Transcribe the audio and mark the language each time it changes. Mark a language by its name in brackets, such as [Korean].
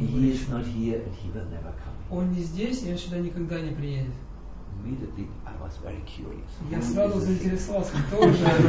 [Russian] его речи. [English] He is not here and he will never come. [Russian] Он не здесь, и он сюда никогда не приедет. [English] Immediately I was very curious. [Russian] Я сразу заинтересовался, кто же.